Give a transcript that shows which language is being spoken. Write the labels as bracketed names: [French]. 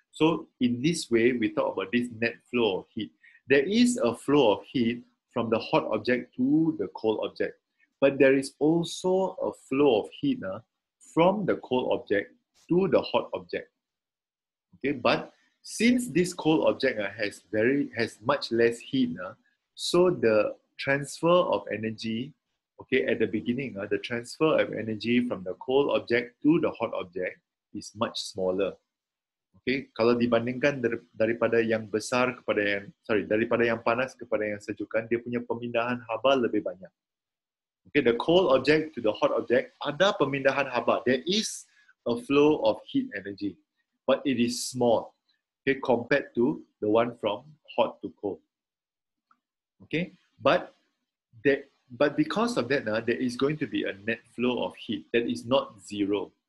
[English] So in this way, we talk about this net flow of heat. There is a flow of heat from the hot object to the cold object, but there is also a flow of heat from the cold object to the hot object, okay? But since this cold object has much less heat, so the transfer of energy Okay, at the beginning, the transfer of energy from the cold object to the hot object is much smaller. [Malay] Okay, kalau dibandingkan daripada yang besar kepada yang, sorry, daripada yang panas kepada yang sejukkan, dia punya pemindahan haba lebih banyak. [English] Okay, the cold object to the hot object, [Malay] ada pemindahan haba. [English] There is a flow of heat energy, but it is small. Okay, compared to the one from hot to cold. Okay, but because of that, there is going to be a net flow of heat that is not zero.